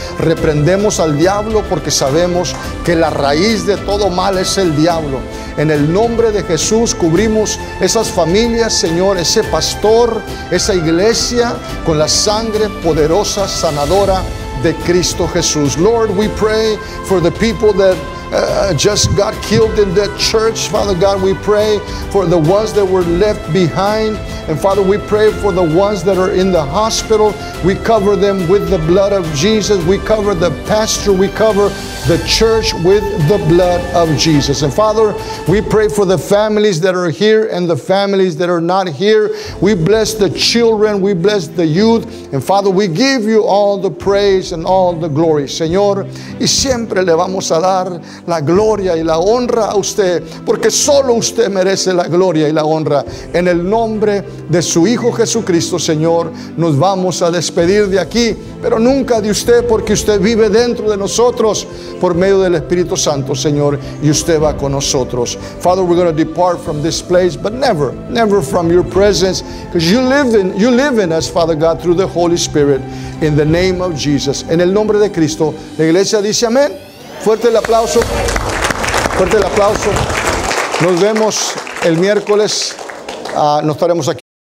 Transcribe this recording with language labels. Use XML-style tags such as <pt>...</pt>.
<es>Reprendemos al diablo porque sabemos que la raíz de todo mal es el diablo. En el nombre de Jesús cubrimos esas familias, Señor, ese pastor, esa iglesia, con la sangre poderosa, sanadora de Cristo Jesús.</es> <en>Lord, we pray for the people that just got killed in that church. Father God, we pray for the ones that were left behind. And Father, we pray for the ones that are in the hospital. We cover them with the blood of Jesus. We cover the pastor. We cover the church with the blood of Jesus. And Father, we pray for the families that are here and the families that are not here. We bless the children. We bless the youth. And Father, we give you all the praise and all the glory.</en> <es>Señor, y siempre le vamos a dar la gloria y la honra a usted, porque solo usted merece la gloria y la honra. En el nombre de su Hijo Jesucristo, Señor, nos vamos a despedir de aquí, pero nunca de usted, porque usted vive dentro de nosotros por medio del Espíritu Santo, Señor, y usted va con nosotros.</es> <en>Father, we're going to depart from this place, but never, never from your presence, because you live in us, Father God, through the Holy Spirit, in the name of Jesus.</en> <es>En el nombre de Cristo, la iglesia dice amén. Fuerte el aplauso. Fuerte el aplauso. Nos vemos el miércoles. No estaremos aquí.</es>